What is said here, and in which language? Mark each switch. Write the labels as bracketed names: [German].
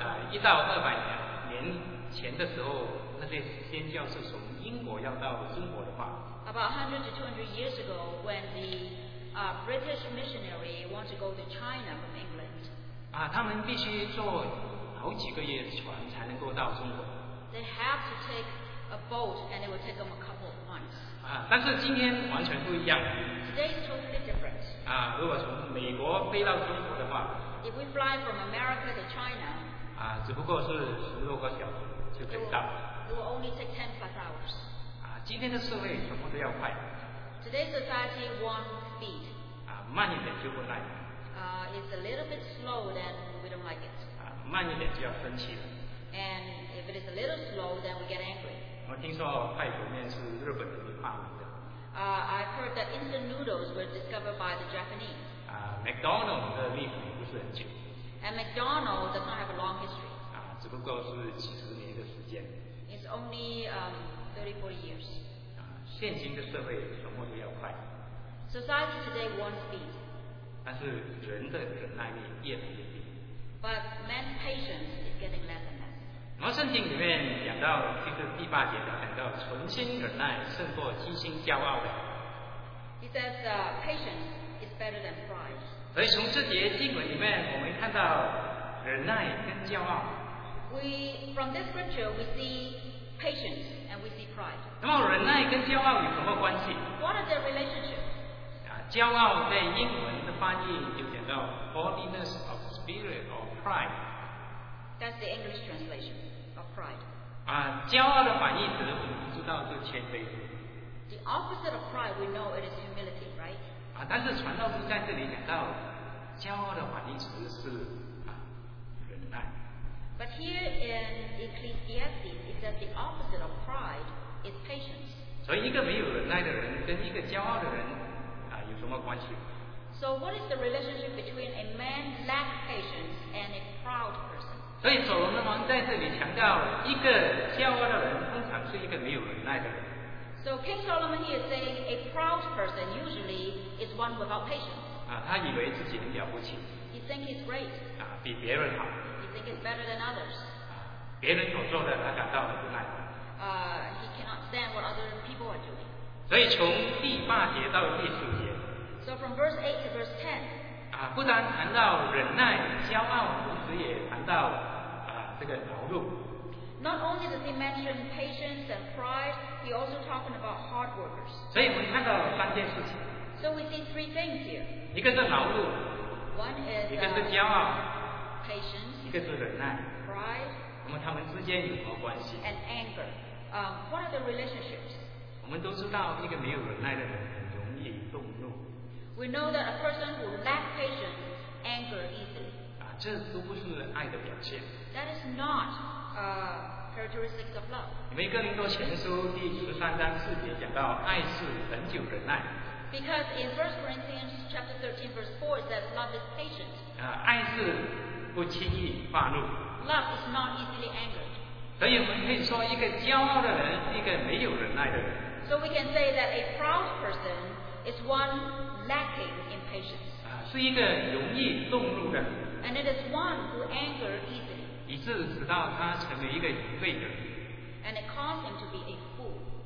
[Chinese] 一到二百年前的时候，那些宣教是从英国要到中国的话。 [English] About 100 to 200 years ago, when the British missionary wanted to go to China from England. [Chinese] 他们必须坐。好几个月的船才能够到中国。 [English] They have to take a boat, and it will take them a couple of months. [Chinese] 但是今天完全不一样。 [English] Today is totally different. [Chinese] 如果从美国飞到中国的话 [English] ，If we fly from America to China, [Chinese] 只不过是十多个小时就可以到。 [English] It will only take 10+ hours. [Chinese] 今天的社会全部都要快。 [English] Today's society wants speed. [Chinese] 慢一点就不耐。 [English] It's a little bit slow, then we don't like it. [Chinese] 慢一点就要生气了。 [English] And if it is a little slow, then we get angry. [Chinese] 我听说快煮面是日本人发明的。 [English] I've heard that instant noodles were discovered by the Japanese. [Chinese] McDonald's 的历史不是很久。 [English] And McDonald's does not have a long history. [Chinese] 只不过是几十年的时间。 [English] It's only 30-40 years. [Chinese] 现今的社会什么都要快。 [English] Society today wants speed. [Chinese] 但是人的忍耐力越来越低。 [English] But man's patience is getting less and less. [Chinese] 那么圣经里面讲到这个第八节的讲到存心忍耐胜过居心骄傲的。 [English] He says patience is better than pride. [Chinese] 所以从这节经文里面我们看到忍耐跟骄傲。 [English] From this scripture we see patience and we see pride. [Chinese] 那么忍耐跟骄傲有什么关系？ [English] What are their relationships? [Chinese] 骄傲在英文的翻译就讲到 [English] haughtiness of spirit or pride. That's the English translation of pride. [Chinese] 骄傲的反义词我们知道是谦卑。 [English] The opposite of pride, we know it is humility, right? [Chinese] 啊，但是传道书在这里讲到，骄傲的反义词是啊，忍耐。 [English] But here in Ecclesiastes, it says the opposite of pride is patience. [Chinese] 所以一个没有忍耐的人跟一个骄傲的人啊有什么关系？ [English] So what is the relationship between a man lack patience and a proud person? [Chinese] 所以所罗门王在这里强调，一个骄傲的人通常是一个没有忍耐的人。 [English] So King Solomon is saying a proud person usually is one without patience. [Chinese] 啊，他以为自己很了不起。 [English] He thinks he's great. [Chinese] 啊，比别人好。 [English] He thinks he's better than others. [Chinese] 啊，别人所做的他感到很不耐。 [English] He cannot stand what other people are doing. [Chinese] 所以从第八节到第十节。 [English] So from verse 8 to verse 10. [Chinese] 啊，不单谈到忍耐、骄傲，同时也谈到啊这个劳碌。 [English] Not only does he mention patience and pride, he also talking about hard workers. [Chinese] 所以我们看到三件事情。 [English] So we see three things here. [Chinese] 一个是劳碌。 [English] One is [Chinese] 一个是骄傲。 [English] Patience. [Chinese] 一个是忍耐。 [English] Pride. [Chinese] 那么他们之间有什么关系 [English] ？And anger. What are the relationships? [Chinese] 我们都知道，一个没有忍耐的人很容易动怒。 [English] We know that a person who lacks patience anger easily. [Chinese] 啊，这都不是爱的表现。 [English] That is not. Characteristics of love. [Chinese] 你们哥林多前书第十三章四节讲到，爱是恒久忍耐。 [English] Because in 1 Corinthians chapter 13 verse 4 it says love is patient. [Chinese] 爱是不轻易发怒。 [English] Love is not easily angered. [Chinese] 所以我们可以说，一个骄傲的人，一个没有忍耐的人。 [English] So we can say that a proud person is one lacking in patience. [Chinese] 是一个容易动怒的。 [English] And it is one who anger easily. [Chinese] 以致使到他成为一个愚昧的人。 [English] And it caused him to be a fool.